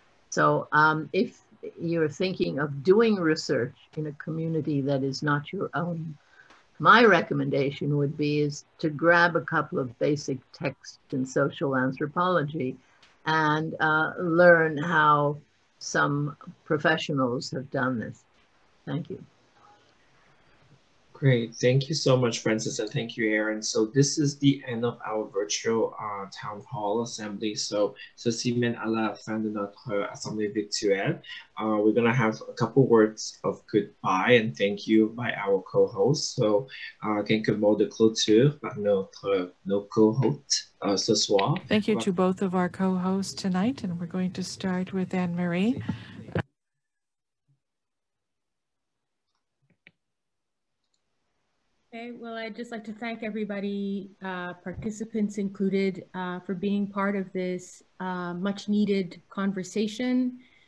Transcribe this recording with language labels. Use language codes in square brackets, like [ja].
[en] So if you're thinking of doing research in a community that is not your own, my recommendation would be is to grab a couple of basic texts in social anthropology and learn how some professionals have done this. Thank you. Great. Thank you so much, Francis, and thank you, Aaron. So this is the end of our virtual town hall assembly. [fr] So, c'est à la fin de notre assemblée virtuelle. [en] We're going to have a couple words of goodbye and thank you by our co-hosts. [fr] So, quelques mots de clôture par nos co-hosts ce soir. [en] Thank you to both of our co-hosts tonight, and we're going to start with Anne-Marie. Okay, well, I'd just like to thank everybody, participants included, for being part of this much needed conversation.